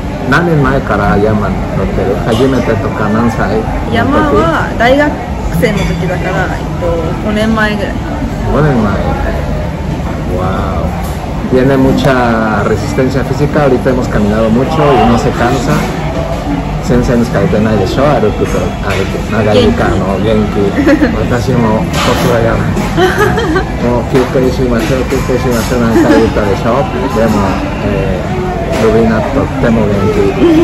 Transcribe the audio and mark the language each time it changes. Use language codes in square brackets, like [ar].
[ja] 何年前から山乗ってる？初めてとか何歳？山は大学生の時だから、5年前ぐらいかな。 5年前。わお。 [es] Tiene mucha resistencia física. Ahorita hemos caminado mucho y no se cansa. [ja] 先生の疲れてないでしょ？歩くと歩く。長い時間の元気。私もこちらやばい。もう休憩しましょう、休憩しましょう、なんか言ったでしょ？でも、ルビナとっても元気。